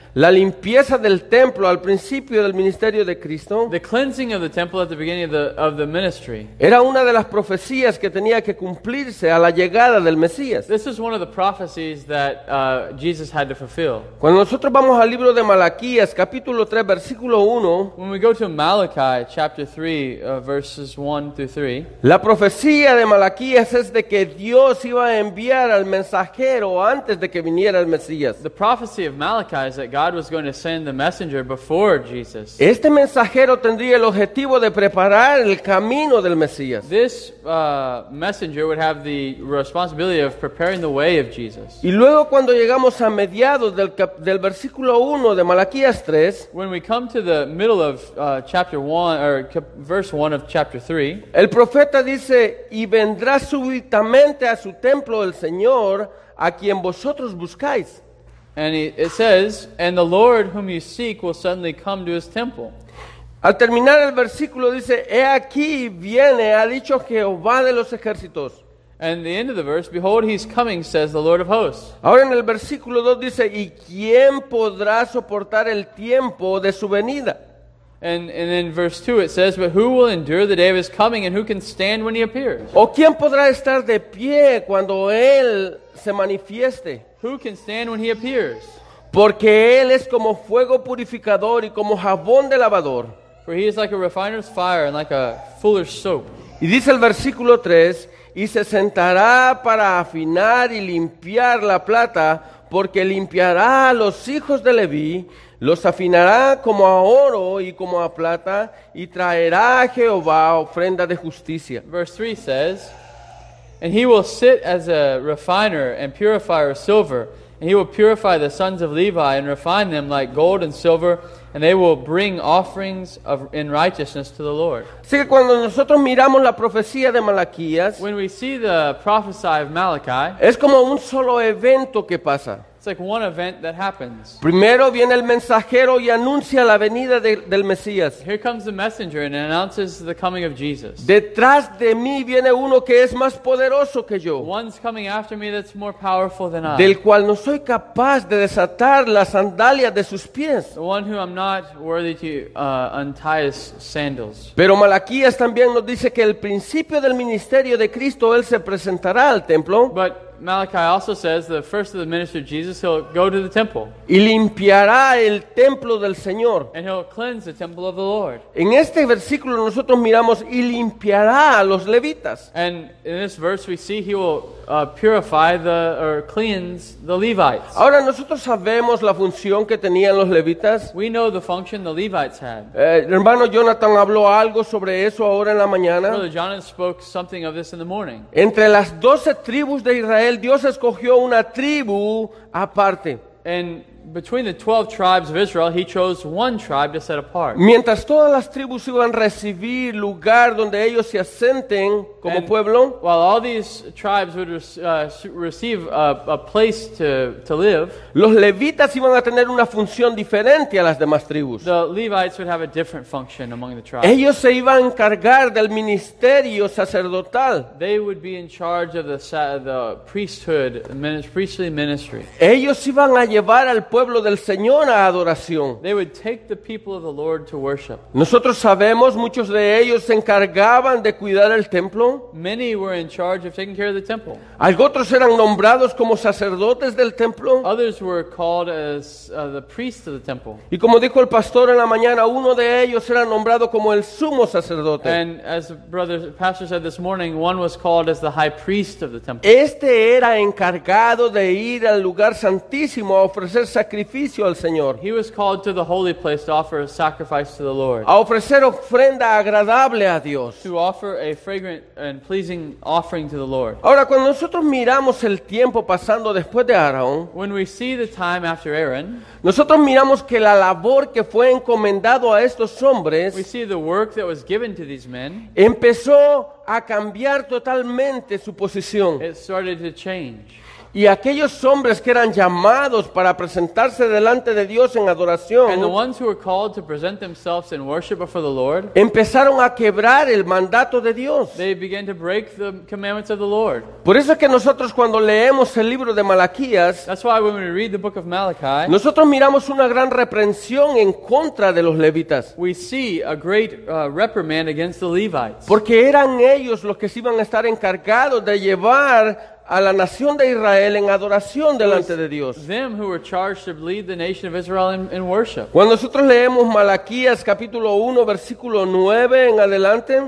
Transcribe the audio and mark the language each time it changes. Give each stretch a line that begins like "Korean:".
Spanish: la limpieza del templo al principio del ministerio de Cristo,
English: the cleansing of the temple at the beginning of the ministry,
Spanish: era una de las profecías que tenía que cumplirse a la llegada del Mesías.
English: This is one of the prophecies that Jesus had to fulfill.
Spanish: Cuando nosotros vamos al libro de Malaquías, capítulo 3, versículo 1,
English: when we go to Malachi, chapter 3, verses 1 through 3,
Spanish: la profecía de Malaquías es de que Dios iba a enviar al mensajero antes de que viniera el Mesías.
English: The prophecy of Malachi is that God was going to send the messenger before Jesus.
Spanish: Este mensajero tendría el objetivo de preparar el camino del Mesías.
English: This messenger would have the responsibility of preparing the way of Jesus.
Spanish: Y luego cuando llegamos a mediados del versículo 1 de Malaquías 3,
English: when we come to the middle of chapter 1 or verse 1 of chapter 3,
Spanish: el profeta dice, "Y vendrá súbitamente a su templo el Señor a quien vosotros buscáis."
English: And it says, and the Lord whom you seek will suddenly come to his temple.
Spanish: Al terminar el versículo dice, he aquí viene, ha dicho Jehová de los ejércitos.
English: And the end of the verse, behold, he's coming, says the Lord of hosts.
Spanish: Ahora en el versículo 2 dice, y quién podrá soportar el tiempo de su venida.
English: And in verse 2 it says, but who will endure the day of his coming and who can stand when he appears?
Spanish: O quién podrá estar de pie cuando él se manifieste.
English: Who can stand when he appears?
Spanish: Porque él es como fuego purificador y como jabón de lavador.
English: For he is like a refiner's fire and like a fuller's soap.
Spanish: Y dice el versículo 3, y se sentará para afinar y limpiar la plata, porque limpiará a los hijos de Leví, los afinará como a oro y como a plata, y traerá a Jehová ofrenda de justicia.
English: Verse 3 says, and he will sit as a refiner and purifier of silver, and he will purify the sons of Levi and refine them like gold and silver, and they will bring offerings of in righteousness to the Lord.
Spanish: Así que cuando nosotros miramos la profecía de Malaquías,
English: when we see the prophecy of Malachi,
Spanish: es como un solo evento que pasa.
English: It's like one event that happens.
Spanish: Primero viene el mensajero y anuncia la venida del Mesías.
English: Here comes the messenger and announces the coming of Jesus.
Spanish: Detrás de mí viene uno que es más poderoso que yo.
English: One's coming after me that's more powerful than I.
Spanish: Del cual no soy capaz de desatar las sandalias de sus pies.
English: The one who I'm not worthy to untie his sandals.
Spanish: Pero Malaquías también nos dice que el principio del ministerio de Cristo, él se presentará al templo.
English: But Malachi also says the first of the ministry of Jesus, he'll go to the temple.
Spanish: Y limpiará el templo del Señor.
English: And he'll cleanse the temple of the Lord.
Spanish: En este versículo nosotros miramos y limpiará a los levitas.
English: And in this verse we see he will purify the or cleanse the Levites.
Spanish: Ahora nosotros sabemos la función que tenían los levitas.
English: We know the function the Levites had.
Spanish: Hermano Jonathan habló algo sobre eso ahora en la mañana.
English: Brother Jonathan spoke something of this in the morning.
Spanish: Entre las 12 tribus de Israel, Dios escogió una tribu aparte.
English: And between the 12 tribes of Israel, he chose one tribe to set apart.
Spanish: Mientras todas las tribus iban a recibir lugar donde ellos se asenten como pueblo,
English: while all these tribes would receive a place to live,
Spanish: los levitas iban a tener una función diferente a las demás tribus.
English: The Levites would have a different function among the tribes.
Spanish: Ellos se iban a encargar del ministerio sacerdotal.
English: They would be in charge of the priesthood, priestly ministry.
Spanish: Ellos iban a llevar al pueblo del Señor a adoración.
English: They would take the people of the Lord to worship.
Spanish: Nosotros sabemos muchos de ellos se encargaban de cuidar el templo.
English: Many were in charge of taking care of the temple.
Spanish: Algunos eran nombrados como sacerdotes del templo.
English: Others were called as the priests of the temple.
Spanish: Y como dijo el pastor en la mañana, uno de ellos era nombrado como el sumo sacerdote.
English: And as the pastor said this morning, one was called as the high priest of the temple.
Spanish: Este era encargado de ir al lugar santísimo a ofrecer sacrificio al Señor.
English: He was called to the holy place to offer a sacrifice to the Lord.
Spanish: A ofrecer ofrenda agradable a Dios.
English: To offer a fragrant and pleasing offering to the Lord.
Spanish: Ahora, cuando nosotros miramos el tiempo pasando después de Aarón,
English: when we see the time after Aaron,
Spanish: nosotros miramos que la labor que fue encomendado a estos hombres,
English: we see the work that was given to these men,
Spanish: empezó a cambiar totalmente su posición.
English: It started to change.
Spanish: Y aquellos hombres que eran llamados para presentarse delante de Dios en adoración,
English: and the ones who were called to present themselves in worship before the Lord,
Spanish: empezaron a quebrar el mandato de Dios.
English: They began to break the commandments of the Lord.
Spanish: Por eso es que nosotros cuando leemos el libro de Malaquías,
English: that's why when we read the book of Malachi,
Spanish: nosotros miramos una gran reprensión en contra de los levitas.
English: We see a great reprimand against the Levites.
Spanish: Porque eran ellos los que se iban a estar encargados de llevar a la nación de Israel en adoración delante de Dios.
English: Them who were charged to lead the nation of Israel in worship.
Spanish: Cuando nosotros leemos Malaquías capítulo 1 versículo 9 en adelante,